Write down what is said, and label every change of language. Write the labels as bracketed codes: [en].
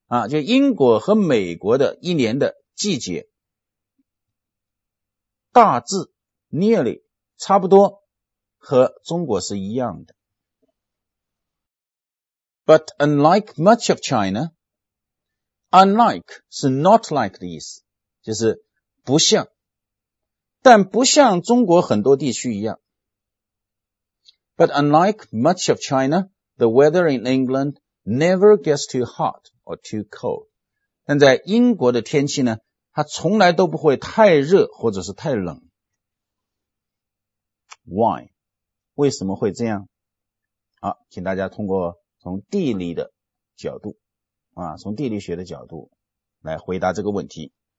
[zh] 就英国和美国的一年的季节大致 nearly 差不多和中国是一样的。 [en] But unlike much of China, unlike 是 not like 的意思 [zh] 就是不像但不像中国很多地区一样。 [en] But unlike much of China, the weather in England never gets too hot. Or too cold. [zh] 但在英国的天气呢，它从来都不会太热或者是太冷。 [en] Why? [zh] 为什么会这样？好，请大家通过从地理的角度，从地理学的角度来回答这个问题。